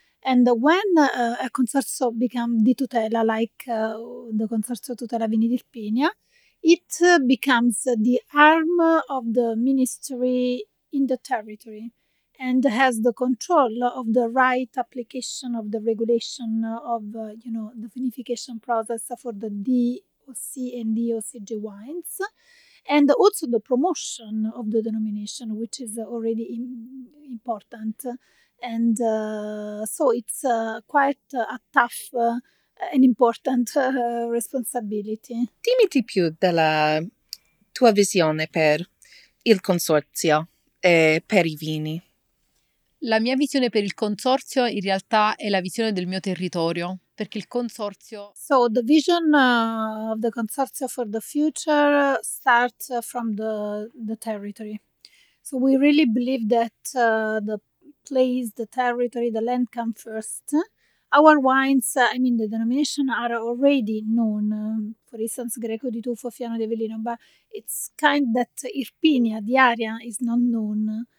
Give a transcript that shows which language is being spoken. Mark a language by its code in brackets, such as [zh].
[en] And when a consorzio becomes di tutela, like the Consorzio Tutela Vini d'Irpinia, it becomes the arm of the Ministry in the territory and has the control of the right application of the regulation of, the vinification process for the DOC and DOCG wines, and also the promotion of the denomination, which is already important. And so it's quite a tough and important responsibility. [it] Dimmi di più della tua visione per il consorzio e per i vini. La mia visione per il consorzio in realtà è la visione del mio territorio, perché il consorzio... [en] So the vision of the consorzio for the future starts from the territory. So we really believe that the place, the territory, the land come first. Our wines, the denomination are already known, for instance, Greco di Tufo, Fiano di Avellino, but it's kind that Irpinia, the area, is not known.